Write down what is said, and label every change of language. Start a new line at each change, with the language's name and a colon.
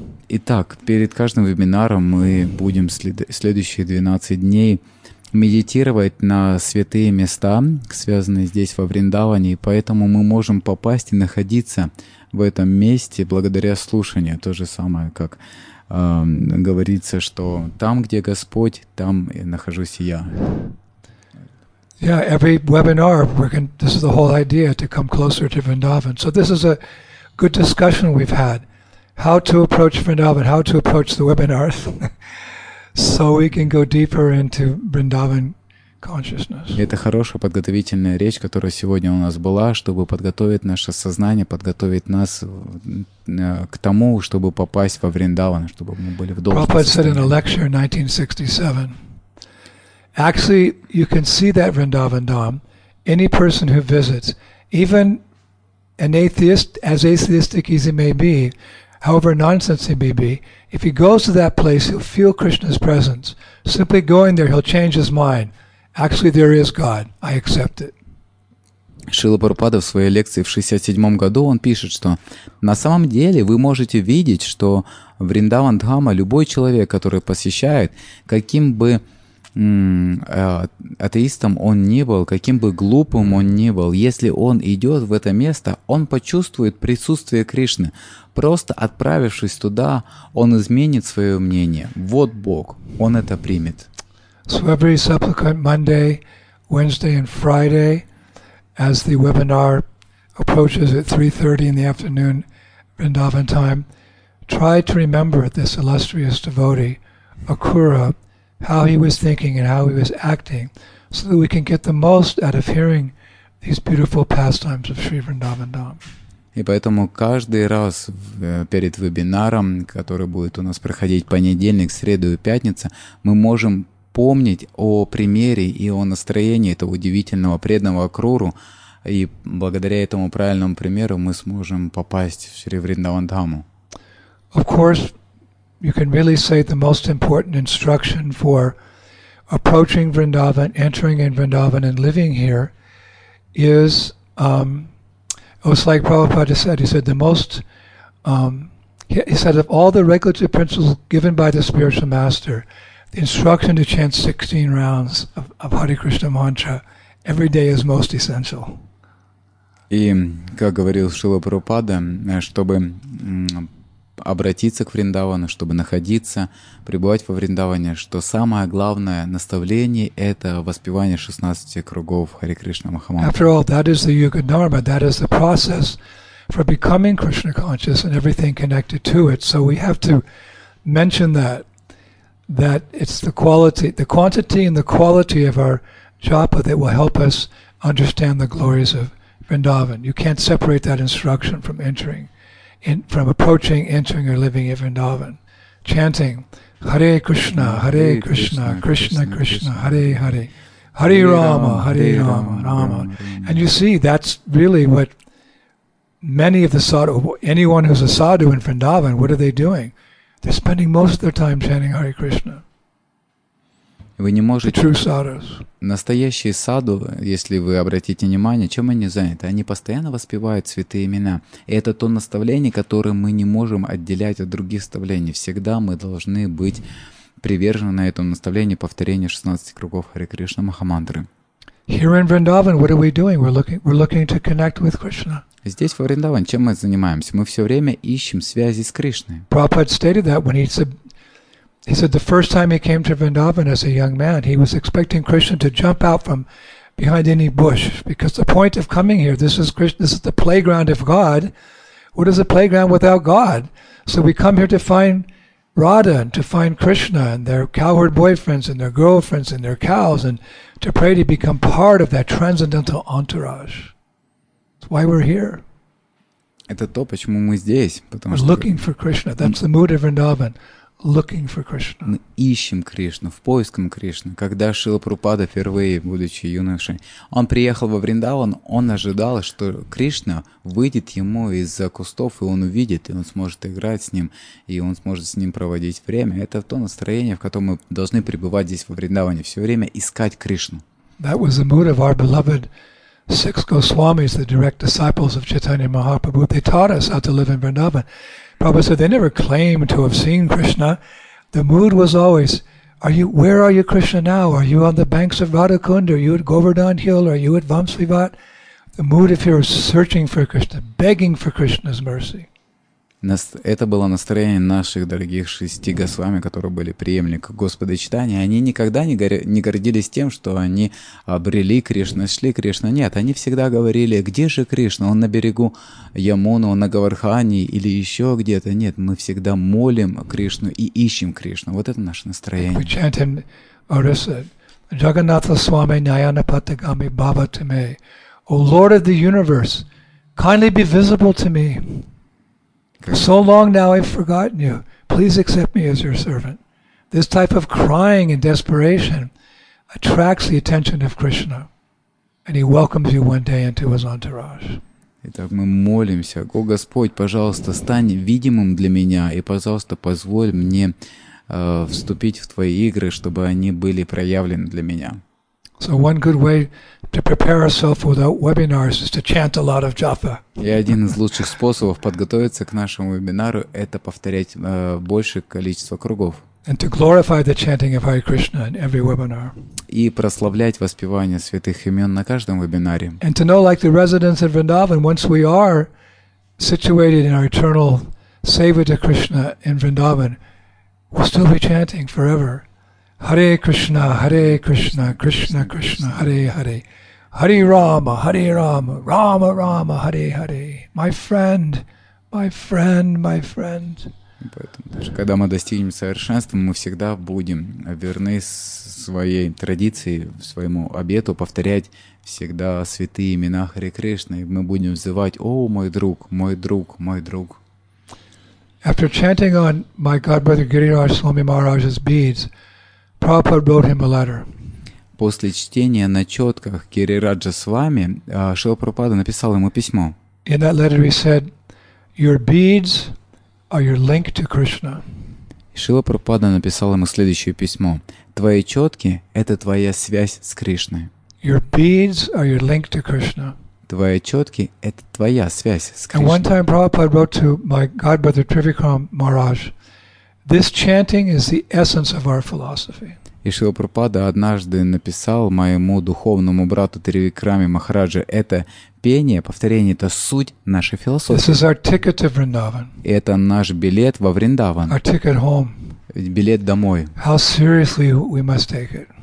Russian: Итак, перед каждым вебинаром мы будем следующие 12 дней медитировать на святые места, связанные здесь во Вриндаване, и поэтому мы можем попасть и находиться в этом месте благодаря слушанию. То же самое, как говорится, что там, где Господь, там и нахожусь я.
English: Yeah, every webinar, this is the whole idea, to come closer to Vrindavan. So this is a good discussion we've had. How to approach Vrindavan, how to approach the webinars, so we can go deeper into Vrindavan consciousness.
Russian: Это хорошая подготовительная речь, которая сегодня у нас была, чтобы подготовить наше сознание, подготовить нас к тому, чтобы попасть во Вриндаван, чтобы мы были в должном состоянии.
English: Prabhupada said in a lecture in 1967, actually, you can see that Vrindavan Dham, any person who visits, even an atheist, as atheistic as he may be, however nonsense he may be, if he goes to that place, he'll feel Krishna's presence. Simply going there, he'll change his mind. Actually, there is God. I accept it.
Russian: Шрила Прабхупада в своей лекции в 1967 году, он пишет, что на самом деле вы можете видеть, что Вриндаван Дхама, любой человек, который посещает, каким бы атеистом он ни был, каким бы глупым он ни был, если он идет в это место, он почувствует присутствие Кришны. Просто отправившись туда, он изменит свое мнение. Вот Бог, он это примет.
English: So every subsequent Monday, Wednesday and Friday, as the webinar approaches at 3:30 in the afternoon, Vrindavan time, try to remember this illustrious devotee, Akura, how he was thinking and how he was acting, so that we can get the most out of hearing these beautiful pastimes of Sri Vrindavan Dham.
Russian: И поэтому каждый раз перед вебинаром, который будет у нас проходить понедельник, среду и пятница, мы можем помнить о примере и о настроении этого удивительного преданного Акруру, и благодаря этому правильному примеру мы сможем попасть в Шри Вриндаван Дхаму.
English: Of course, you can really say the most important instruction for approaching Vrindavan, entering in Vrindavan and living here is, it was like Prabhupada said, he said the most, he said of all the regulative principles given by the spiritual master, the instruction to chant 16 rounds of Hare Krishna mantra every day is most essential.
Russian: И, как говорил Шрила Прабхупада, чтобы обратиться к Вриндавану, чтобы находиться, пребывать во Вриндаване, что самое главное наставление — это воспевание 16 кругов Хари Кришна Махамантры.
English: After all, that is the Yuga Dharma, that is the process for becoming Krishna conscious and everything connected to it. So we have to mention that, that it's the quality, the quantity and the quality of our japa that will help us understand the glories of Vrindavan. You can't separate that instruction from entering. From approaching, entering, or living in Vrindavan, chanting Hare Krishna, Hare Krishna, Krishna Krishna, Hare Hare, Hare Rama, Hare Rama, Rama. And you see, that's really what many of the sadhu, anyone who's a sadhu in Vrindavan, what are they doing? They're spending most of their time chanting Hare Krishna.
Russian: Вы не можете...
English: The true sadhus.
Russian: Настоящие саду, если вы обратите внимание, чем они заняты? Они постоянно воспевают святые имена. И это то наставление, которое мы не можем отделять от других наставлений. Всегда мы должны быть привержены этому наставлению повторения 16 кругов Хари Кришна Махамантры.
English: Here in Vrindavan, what are we doing? We're looking to connect with Krishna.
Russian: Здесь, во Вриндаване, чем мы занимаемся? Мы все время ищем связи с Кришной.
English: Prabhupada stated that when He said the first time he came to Vrindavan as a young man, he was expecting Krishna to jump out from behind any bush. Because the point of coming here, this is Krishna, this is the playground of God. What is a playground without God? So we come here to find Radha and to find Krishna and their cowherd boyfriends and their girlfriends and their cows and to pray to become part of that transcendental entourage. That's why we're here.
Russian: Это то, почему мы здесь. Потому
English: we're looking for Krishna. That's the mood of Vrindavan. Looking for Krishna.
Russian: Мы ищем Кришну, в поиском Кришны. Когда Шрила Прабхупада впервые, будучи юношей, он приехал во Вриндаван, он ожидал, что Кришна выйдет ему из-за кустов, и он увидит, и он сможет играть с ним, и он сможет с ним проводить время. Это то настроение, в котором мы должны пребывать здесь во Вриндаване, все время искать Кришну.
English: That was the mood of our beloved six Goswamis, the direct disciples of Chaitanya Mahaprabhu. They taught us how to live in Vrindavan. Prabhupada said they never claimed to have seen Krishna. The mood was always, where are you, Krishna, now? Are you on the banks of Radhakund? Are you at Govardhan Hill? Are you at Vamsvivat? The mood if you're searching for Krishna, begging for Krishna's mercy.
Russian: Это было настроение наших дорогих шести госвами, которые были преемниками Господа Чайтаньи. Они никогда не гордились тем, что они обрели Кришну, шли Кришну. Нет, они всегда говорили, где же Кришна? Он на берегу Ямуны, он на Говардхане или еще где-то. Нет, мы всегда молим Кришну и ищем Кришну. Вот это наше настроение. Мы чантим Ориса.
Sanskrit: Джаганнатха Свами Ньяна Паттагами Баба Тиме.
English: О, Lord of the universe, kindly be visible to me. So long now I've forgotten you. Please accept me as your servant. This type of crying and desperation attracts the attention of Krishna, and he welcomes you one day into his entourage.
Russian: Итак, мы молимся, о Господь, пожалуйста, стань видимым для меня и, пожалуйста, позволь мне вступить в твои игры, чтобы они были проявлены для меня.
English: So one good way to prepare ourselves for the webinars is to chant a lot of Japa.
Russian: И один из лучших способов подготовиться к нашему вебинару – это повторять большее количество кругов.
English: And to glorify the chanting of Hare Krishna in every webinar.
Russian: И прославлять воспевание святых имен на каждом вебинаре.
English: And to know, like the residents of Vrindavan, once we are situated in our eternal Savita Krishna in Vrindavan, we'll still be chanting forever. Hare Krishna, Krishna Krishna, Hare Hare. Hare Rama, Rama Rama, Hare Hare. My friend, my friend, my friend.
Russian: Поэтому даже когда мы достигнем совершенства, мы всегда будем верны своей традиции, своему обету, повторять всегда святые имена Харе Кришны. И мы будем взывать: «О, мой друг, мой друг, мой друг».
English: After chanting on my godbrother Giriraj Swami Maharaj's beads, Prabhupada wrote him a letter.
Russian: После чтения на четках Гирираджа Свами, Шрила Прабхупада написал ему письмо.
English: In that letter he said, your beads are your link to Krishna.
Russian: Шрила Прабхупада написал ему следующее письмо: твои четки – это твоя связь с Кришной.
English: Your beads are your link to Krishna.
Russian: Твои четки – это твоя связь с Кришной.
English: And one time Prabhupada wrote to my godbrother Trivikram Maharaj, this chanting is the essence of our philosophy.
Russian: И Шрила Прабхупада однажды написал моему духовному брату Тривикраме Махараджа: это пение, повторение – это суть нашей философии.
English: This is our ticket to Vrindavan.
Russian: Это наш билет во Вриндаван.
English: Our ticket home.
Russian: Билет домой.
English: How seriously we must take it.